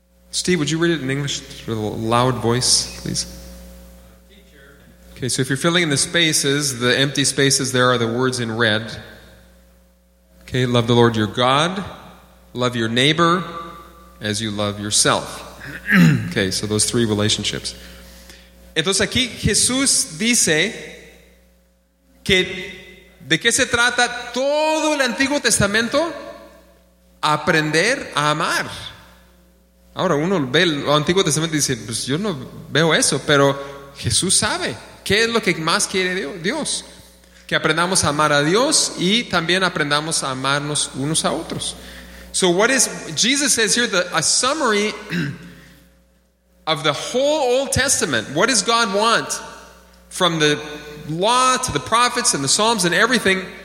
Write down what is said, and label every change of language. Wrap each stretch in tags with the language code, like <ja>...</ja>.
<en>Steve, would you read it in English with a loud voice, please? Okay, so if you're filling in the spaces, the empty spaces, there are the words in red. Okay, love the Lord your God, love your neighbor as you love yourself. Okay, so those three relationships.</en> <es>Entonces aquí Jesús dice que de qué se trata todo el Antiguo Testamento, aprender a amar. Ahora uno ve el Antiguo Testamento y dice, pues yo no veo eso, pero Jesús sabe qué es lo que más quiere Dios, que aprendamos a amar a Dios y también aprendamos a amarnos unos a otros.</es> <en>So what is Jesus says here, a summary of the whole Old Testament. What does God want from the law to the prophets and the Psalms and everything?</en>